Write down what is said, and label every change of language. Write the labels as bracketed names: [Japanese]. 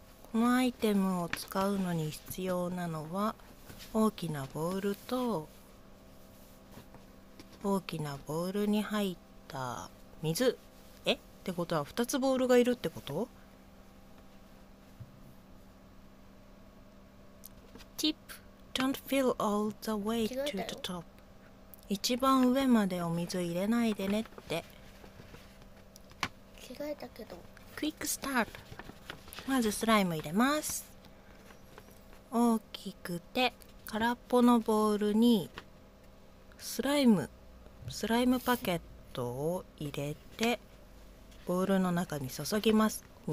[Japanese] このアイテムを使うのに必要なのは大きなボールと、大きなボールに入った水。ってことは2つボールがいるってこと。 [English] Tip, don't fill all the way to the top. [Japanese] 一番上までお水入れないでねって。着替えたけど。 [English] Quick start. [Japanese] まずスライム入れます。大きくて空っぽのボールにスライムパケットを入れてボールの中に注ぎます。